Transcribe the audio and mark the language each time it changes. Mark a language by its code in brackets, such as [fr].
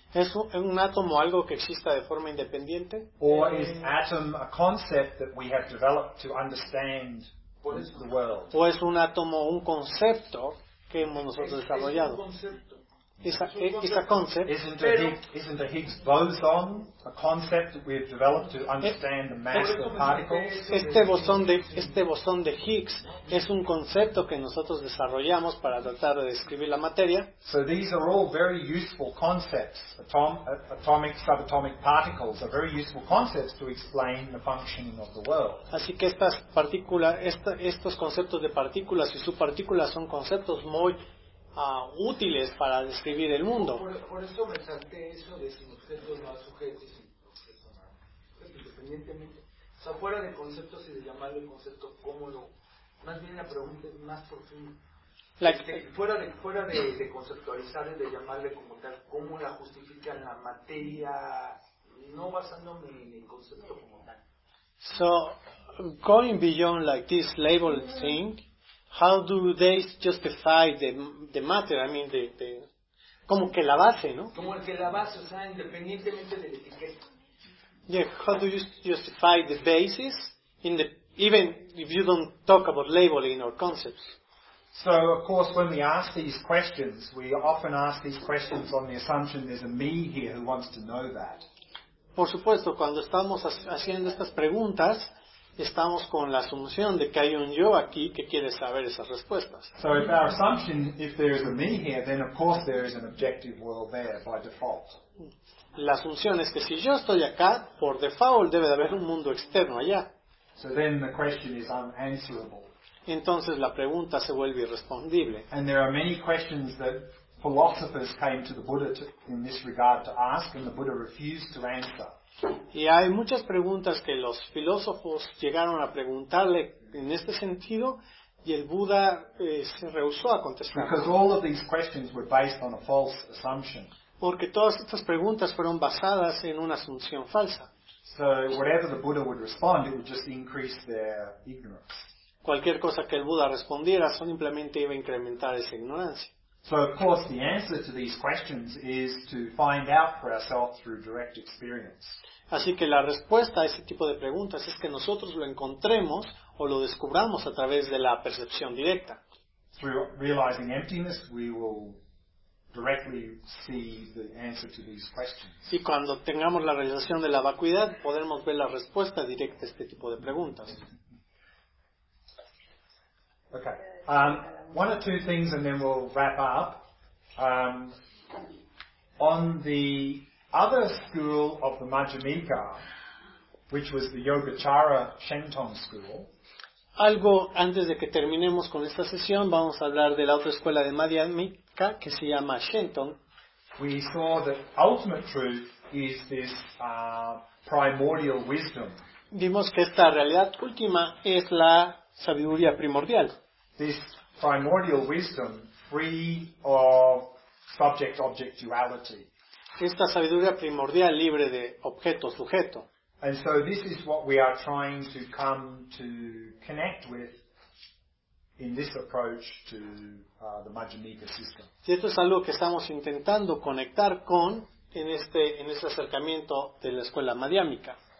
[es] ¿Es un átomo algo que exista de forma independiente? [en] Or is atom a concept that we have developed to understand what is the world? [es] ¿O es un átomo un concepto que hemos nosotros desarrollado? [en] Isn't a Higgs boson a concept that we have developed to understand the mass of particles? [es] Este bosón de Higgs es un concepto que nosotros desarrollamos para tratar de describir la materia. [en] So these are all very useful concepts. Atomic, subatomic particles are very useful concepts to explain the functioning of the world. [es] Así que estos conceptos de partículas y subpartículas son conceptos muy útiles para describir el mundo. Por eso me salté eso de sin objetos no hay sujetos y sin objetos no hay. Independientemente, o sea, fuera de conceptos y de llamarlo el concepto, ¿cómo lo? Más bien la pregunta es más profunda. Fuera de conceptualizar y de llamarle como tal, ¿cómo la justifica la materia? No basándome en el concepto como tal. [en] So, going beyond like this label thing, how do they justify the matter? I mean, the [es] como que la base, ¿no? Como el que la base, o sea, independientemente de la etiqueta. [en] Yeah, how do you justify the basis in the even if you don't talk about labeling or concepts? So, of course, when we ask these questions, we often ask these questions on the assumption there's a me here who wants to know that. [es] Por supuesto, cuando estamos haciendo estas preguntas, estamos con la asunción de que hay un yo aquí que quiere saber esas respuestas. [en] So if our assumption, if there is a me here, then of course there is an objective world there by default. [es] La asunción es que si yo estoy acá, por default debe de haber un mundo externo allá. [en] So then the question is unanswerable. [es] Entonces la pregunta se vuelve irrespondible. [en] And there are many questions that philosophers came to the Buddha in this regard to ask, and the Buddha refused to answer. [es] Y hay muchas preguntas que los filósofos llegaron a preguntarle en este sentido y el Buda se rehusó a contestar. [en] Because all of these questions were based on a false assumption. [es] Porque todas estas preguntas fueron basadas en una asunción falsa. [en] So whatever the Buddha would respond, it would just increase their ignorance. [es] Cualquier cosa que el Buda respondiera simplemente iba a incrementar esa ignorancia. [en] So of course the answer to these questions is to find out for ourselves through direct experience. [es] Así que la respuesta a ese tipo de preguntas es que nosotros lo encontremos o lo descubramos a través de la percepción directa. [en] Through realizing emptiness, we will directly see the answer to these questions. [es] Y cuando tengamos la realización de la vacuidad, podremos ver la respuesta directa a este tipo de preguntas. [en] Okay. One or two things and then we'll wrap up. On the other school of the Majjhimika, which was the Yogacara Shenton school. [es] Algo antes de que terminemos con esta sesión, vamos a hablar de la otra escuela de Madhyamika que se llama Shenton. [en] We saw that ultimate truth is this primordial wisdom. [es] Vimos que esta realidad última es la sabiduría primordial. [en] This primordial wisdom, free of subject-object duality. [es] Esta sabiduría primordial libre de objeto-sujeto. [en] And so this is what we are trying to come to connect with in this approach to the Majjhimika system. [es] Y esto es algo que estamos intentando conectar con en este acercamiento de la escuela madhyamika.